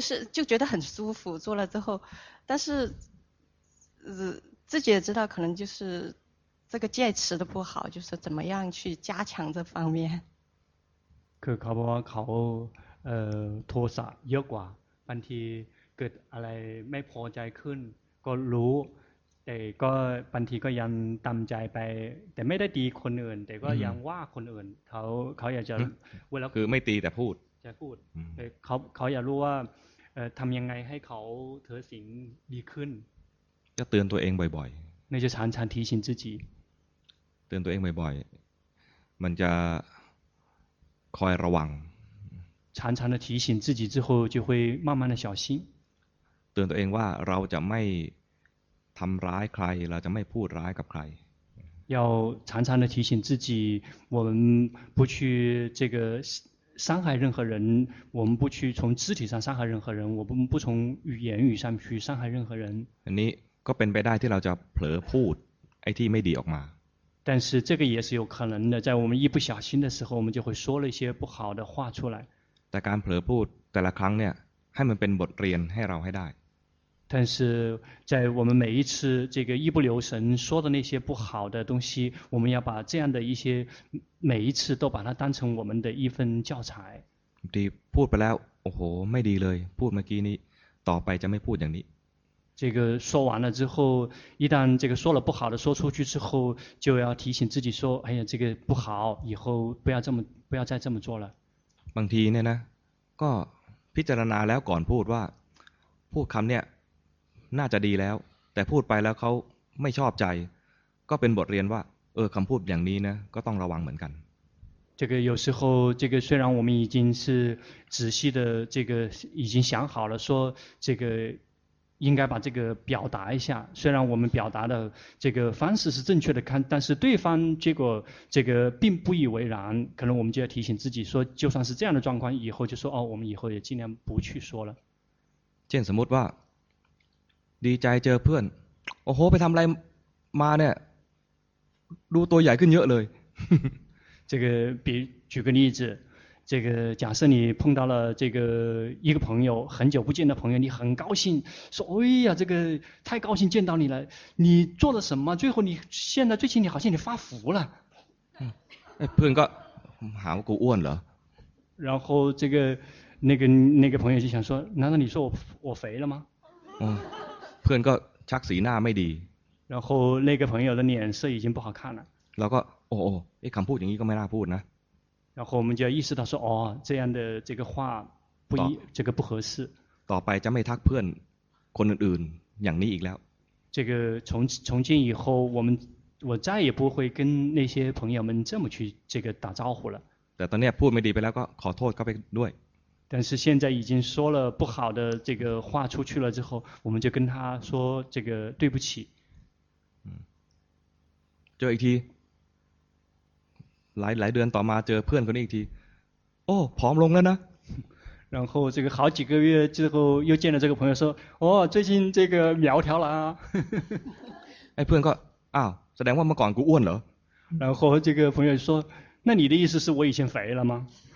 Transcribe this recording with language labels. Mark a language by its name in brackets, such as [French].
[Chinese] 就觉得很舒服做了之后但是自己也知道可能就是这个戒持的不好就是怎么样去加强这方面 [Thai] คือเขาบอกว่าเขาโทสะเยอะกว่าบางทีเกิดอะไรไม่พอใจขึ้นก็รู้แต่ก็บางทีก็ยังตำใจไปแต่ไม่ได้ตีคนอื่นแต่ก็ยังว่าคนอื่นเขาอยากจะเวลา คือไม่ตีแต่พูด จะพูดเขาอยากรู้ว่าทำยังไงให้เขาเถิดสิงดีขึ้น จะเตือนตัวเองบ่อย ๆในจะฉัน [Chinese] 提醒自己 [Thai] เตือนตัวเองบ่อยๆมันจะคอยระวัง [Chinese] 常常的提醒自己之后就会慢慢的小心 [Thai] เตือนตัวเองว่าเราจะไม่ทำร้ายใครเราจะไม่พูดร้ายกับใคร [Chinese] 要常常的提醒自己我们不去这个伤害任何人我们不去从肢体上伤害任何人我们不从言语上去伤害任何人 [Thai] อันนี้ก็เป็นไปได้ที่เราจะเผลอพูดไอ้ที่ไม่ดีออกมา [Chinese] 但是这个也是有可能的在我们一不小心的时候我们就会说了一些不好的话出来 [Thai] แต่การเผลอพูดแต่ละครั้งเนี่ยให้มันเป็นบทเรียนให้เราให้ได้ [Chinese] 但是在我们每一次这个一不留神说的那些不好的东西我们要把这样的一些每一次都把它当成我们的一份教材 [Thai] ที่พูดไปแล้วโอ้โหไม่ดีเลยพูดเมื่อกี้นี้ต่อไปจะไม่พูดอย่างนี้ [Chinese] 这个说完了之后一旦这个说了不好的说出去之后就要提醒自己说哎呀这个不好以后不要再这么做了 [Thai] บางทีเนี่ยนะก็พิจารณาแล้วก่อนพูดว่าพูดคำเนี่ยน่าจะดีแล้วแต่พูดไปแล้วเขาไม่ชอบใจก็เป็นบทเรียนว่าคำพูดอย่างนี้นะก็ต้องระวังเหมือนกัน [Chinese] 这个有时候这个虽然我们已经是仔细的这个已经想好了说这个应该把这个表达一下虽然我们表达的这个方式是正确的但是对方结果这个并不以为然可能我们就要提醒自己说就算是这样的状况以后就说哦我们以后也尽量不去说了见什么吧 [Thai] ดีใจเจอเพื่อนโอ้โหไปทำอะไรมาเนี่ยดูตัวใหญ่ขึ้นเยอะเลย [Chinese] 这个比举个例子这个假设你碰到了这个一个朋友很久不见的朋友你很高兴说哎呀这个太高兴见到你了你做了什么最后你现在最近你好像你发福了哎朋友好我问了然后这个那个朋友就想说难道你说我肥了吗 [Thai] 朋友ชักสีหน้าไม่ดี [Chinese] 然后那个朋友的脸色已经不好看了 [Thai] แล้วก็โอ้โหคำพูดอย่างนี้ก็ไม่น่าพูดนะ [Chinese] 然后我们就意识到说，哦，这样的这个话不一，这个不合适。 [Thai] ต่อไปจะไม่ทักเพื่อนคนอื่นอย่างนี้อีกแล้ว。 [Chinese] 这个从今以后，我再也不会跟那些朋友们这么去这个打招呼了。 [Thai] แต่ตอนนี้พูดไม่ดีไปแล้วก็ขอโทษเข้าไปด้วย。 [Chinese] 但是现在已经说了不好的这个话出去了之后，我们就跟他说这个对不起。就一提。 [Thai] หลายเดือนต่อมาเจอเพื่อนคนนี้อีกทีโอ้ผอมลงแล้วนะ [Chinese] 然后这个好几个月之后又见了这个朋友说哦最近这个苗条了 [Thai] 啊ไอ้เพื่อนก็อ้าวแสดงว่าเมื่อก่อนกูอ้วนเหรอ [Chinese] 然后这个朋友说那你的意思是我以前肥了吗